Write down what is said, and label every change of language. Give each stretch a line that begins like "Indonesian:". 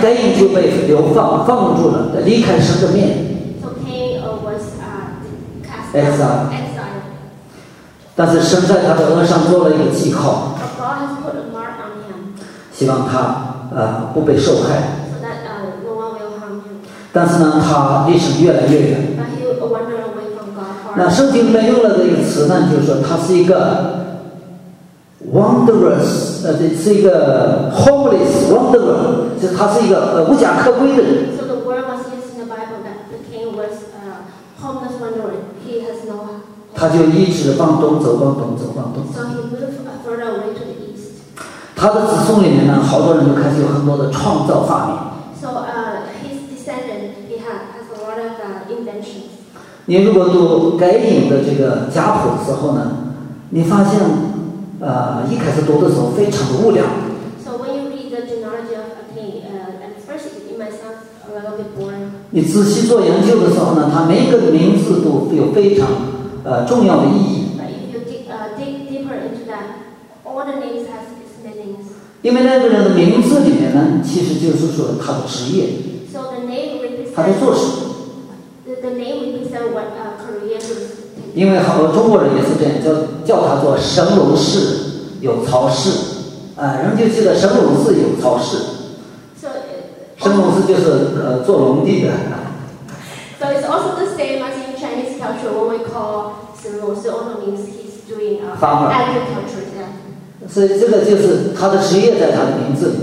Chinese: 该隐就被流放，放住了，离开神的面。
English: So Cain was cast out. Exile.
Chinese: 但是神在他的额上做了一个记号。
English: But God has put a mark on him.
Chinese: 希望他不被受害。
English: So that no one will harm him.
Chinese: 但是呢，他离神越来越远。
English: But he wandered away from God.
Chinese: 那圣经里面用了这个词，那就是说他是一个。 Wanderers, 这是一个
English: homeless wanderer,
Chinese: 就他是一个无家可归的人。
English: So the word was used in the Bible that the king was homeless wanderer. He has no home.
Chinese: 他就一直往东走，往东走，往东走。
English: So he moved further away to the east.
Chinese: 他的子孙里面呢，好多人就开始有很多的创造发明。
English: So his descendant, he has a lot of inventions.
Chinese: 你如果读该隐的这个家谱之后呢，你发现。一开始读的时候非常的无聊。
English: So when you read the genealogy of Cain, at first it might sound a little bit boring.
Chinese: 你仔细做研究的时候呢，它每个名字都有非常重要的意义。
English: But if you dig deeper into that, all the names have its meanings.
Chinese: 因为那个人的名字里面呢，其实就是说他的职业。
English: So the name represents.
Chinese: 他在做什么？
English: The name represents what career he is.
Chinese: 因为好多中国人也是这样，叫他做神龙氏有曹氏，人就记得神龙氏有曹氏。
English: So,
Chinese: 神龙氏就是做龙地的。
English: So it's also the same as in Chinese culture when we call 神龙氏 also means he's doing farmer agriculture.
Chinese: 所以这个就是他的职业在他的名字里。